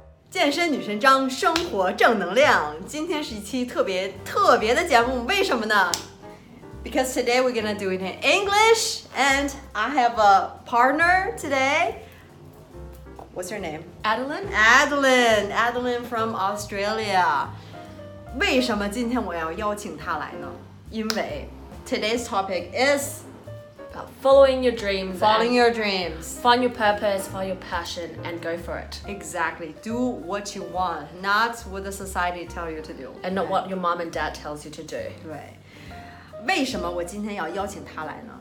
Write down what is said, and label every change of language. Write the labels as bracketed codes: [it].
[zh] 健身女神张，生活正能量。今天是一期特别特别的节目，为什么呢？ [en] Because today we're gonna do it in English, and I have a partner today. What's your name? Adeline from Australia. [zh] 为什么今天我要邀请她来呢？因为 [en] today's topic is following your dreams, find your purpose, find your passion, and go for it. Exactly. Do what you want, not what the society tells you to do. And not what your mom and dad tells you to do. [zh] 对。为什么我今天要邀请他来呢？